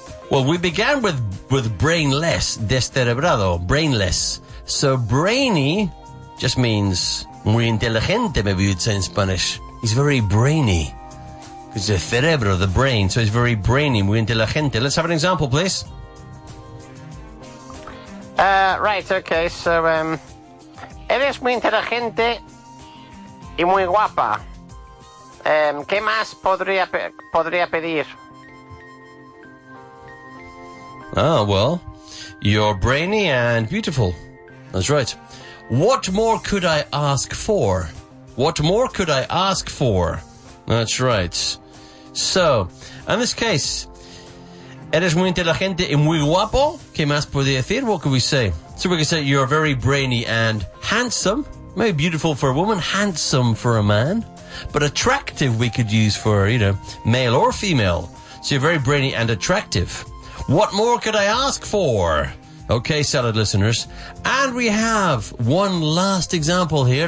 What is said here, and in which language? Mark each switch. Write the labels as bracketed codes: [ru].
[en] Well, we began with brainless, descerebrado, brainless. So brainy just means [es] muy inteligente, [en] maybe you'd say in Spanish. He's very brainy. It's the cerebro, the brain, so it's very brainy, [es] muy inteligente. [en] Let's have an example, please. Right, okay, so, [es] eres muy inteligente y muy guapa. ¿Qué más podría pedir? [en] Ah, well, you're brainy and beautiful. That's right. What more could I ask for? What more could I ask for? That's right. So, in this case, [es] eres muy inteligente y muy guapo. ¿Qué más puede decir? [en] What could we say? So we could say you're very brainy and handsome. Maybe beautiful for a woman, handsome for a man. But attractive we could use for, you know, male or female. So you're very brainy and attractive. What more could I ask for? Okay, salad listeners. And we have one last example here.